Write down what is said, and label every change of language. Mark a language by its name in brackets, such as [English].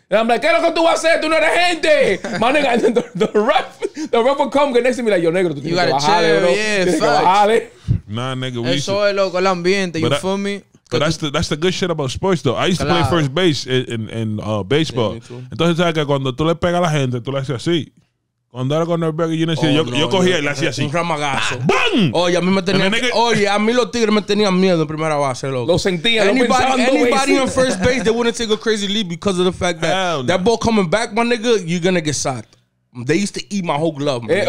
[English] And I'm like, [Spanish] ¿qué es lo que tú vas a hacer? ¡Tú no eres gente! [English] My nigga, and then the ref will come next to me like, yo, [Spanish] negro, tú tienes que bajarle, bro. [English] Nah, nigga, we [Spanish] eso es loco, el ambiente, [English] you feel me? But that's the good shit about sports, though. I used to play first base in baseball. [Spanish] Yeah, entonces, ¿sabes que cuando tú le pegas a la gente, tú le haces así? Cuando era con Norberg, yo decía, yo cogía y le hacía así. Un ramagazo. ¡Bam! Oye, a mí los tigres me tenían miedo en primera base, loco. Lo sentía, lo pensaban. [English] Anybody in first base, they wouldn't take a crazy leap because of the fact that that ball coming back, my nigga, you're going to get sacked. They used to eat my whole glove, man.